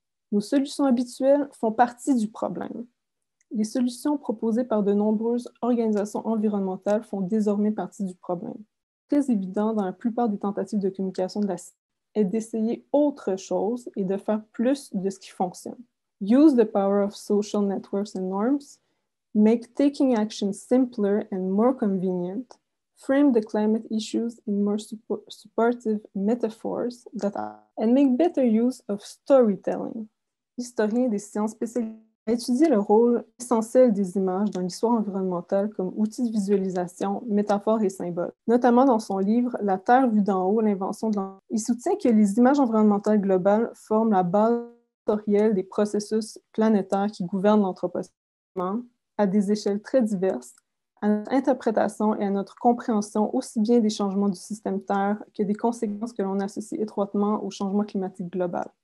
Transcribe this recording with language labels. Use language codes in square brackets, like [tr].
[fr] Nos solutions habituelles font partie du problème. Les solutions proposées par de nombreuses organisations environnementales font désormais partie du problème. Très évident dans la plupart des tentatives de communication de la science est d'essayer autre chose et de faire plus de ce qui fonctionne. [en] Use the power of social networks and norms. Make taking action simpler and more convenient. Frame the climate issues in more supportive metaphors that are, and make better use of storytelling. [fr] L'historien des sciences spécialisées a étudié le rôle essentiel des images dans l'histoire environnementale comme outil de visualisation, métaphore et symbole, notamment dans son livre « La Terre vue d'en haut, l'invention de l'environnement ». Il soutient que les images environnementales globales forment la base historielle des processus planétaires qui gouvernent l'anthropocène à des échelles très diverses, à notre interprétation et à notre compréhension aussi bien des changements du système Terre que des conséquences que l'on associe étroitement au changement climatique global.